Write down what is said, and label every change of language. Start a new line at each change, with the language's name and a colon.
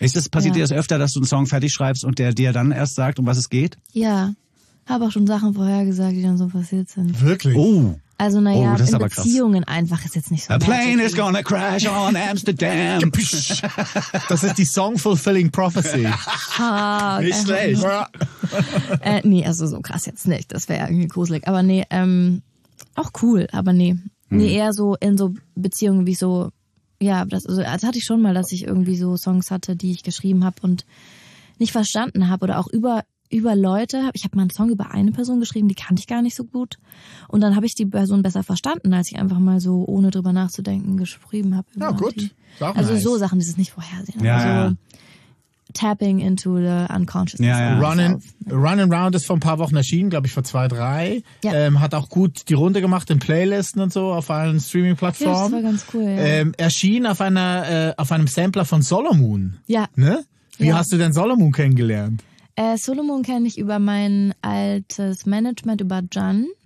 German: Passiert dir das öfter, dass du einen Song fertig schreibst und der dir dann erst sagt, um was es geht? Ja. Habe auch schon Sachen vorhergesagt, die dann so passiert sind. Wirklich? Oh. Also naja, in Beziehungen einfach ist jetzt nicht so.
English: A plane is gonna crash on Amsterdam.
German: Das ist die Song-Fulfilling Prophecy. Nicht schlecht. Nee, also so krass jetzt nicht. Das wäre irgendwie gruselig. Aber nee, auch cool, aber nee. Nee, eher so in so Beziehungen wie so, ja, das hatte ich schon mal, dass ich irgendwie so Songs hatte, die ich geschrieben habe und nicht verstanden habe oder auch über Leute. Ich habe mal einen Song über eine Person geschrieben, die kannte ich gar nicht so gut. Und dann habe ich die Person besser verstanden, als ich einfach mal so, ohne drüber nachzudenken, geschrieben habe. Ja, gut. Also so Sachen, die es nicht vorhersehen. Ja, also
English: tapping into the unconsciousness.
German: Ja. Running Round ist vor ein paar Wochen erschienen, glaube ich vor 2, 3. Ja. Hat auch gut die Runde gemacht in Playlisten und so, auf allen Streaming-Plattformen. Ja, das war ganz cool. Ja. Erschien auf einem Sampler von Solomon. Ja. Ne? Wie hast du denn Solomon kennengelernt? Solomon kenne ich über mein altes Management, über Can.